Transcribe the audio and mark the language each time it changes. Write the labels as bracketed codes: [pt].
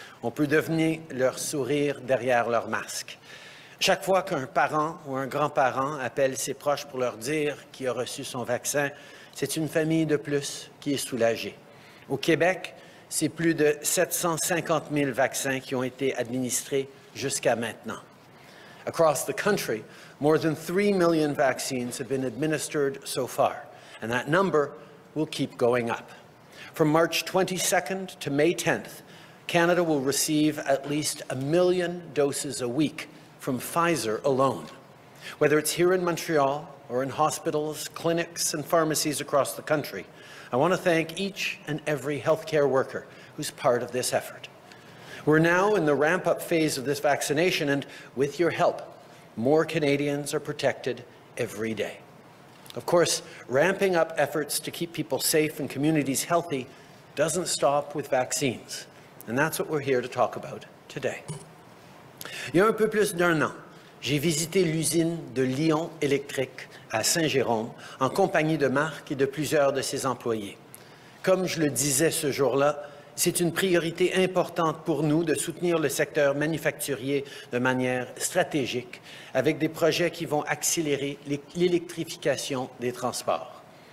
[fr] On peut deviner leur sourire derrière leur masque. Chaque fois qu'un parent ou un grand-parent appelle ses proches pour leur dire qu'il a reçu son vaccin, c'est une famille de plus qui est soulagée. Au Québec, c'est plus de 750 000 vaccins qui ont été administrés jusqu'à maintenant. [en] Across the country, more than 3 million vaccines have been administered so far, and that number will keep going up. From March 22nd to May 10th, Canada will receive at least 1 million doses a week from Pfizer alone. Whether it's here in Montreal or in hospitals, clinics, and pharmacies across the country, I want to thank each and every healthcare worker who's part of this effort. We're now in the ramp-up phase of this vaccination, and with your help, more Canadians are protected every day. Of course, ramping up efforts to keep people safe and communities healthy doesn't stop with vaccines, and that's what we're here to talk about today. [fr] Il y a un peu plus d'un an, j'ai visité l'usine de Lyon Électrique à Saint-Jérôme, en compagnie de Marc et de plusieurs de ses employés. Comme je le disais ce jour-là, c'est une priorité importante pour nous de soutenir le secteur manufacturier de manière stratégique, avec des projets qui vont accélérer l'électrification des transports.